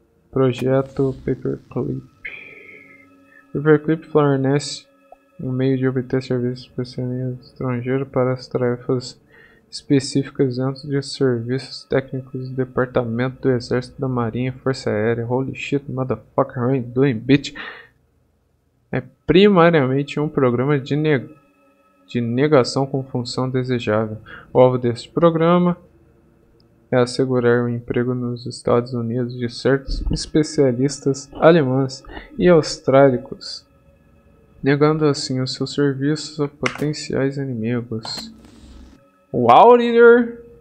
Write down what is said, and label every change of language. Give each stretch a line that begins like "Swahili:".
Portuguese: Projeto Paperclip. Paperclip fornece um meio de obter serviços especializados estrangeiros para as tarefas específicas dentro de serviços técnicos do Departamento do Exército da Marinha Força Aérea.
English: Holy shit, motherfucker, I'm doing, bitch.
Portuguese: É primariamente um programa de negação com função desejável. O alvo deste programa é assegurar um emprego nos Estados Unidos de certos especialistas alemães e austrálicos, negando assim os seus serviços a potenciais inimigos. O Auditor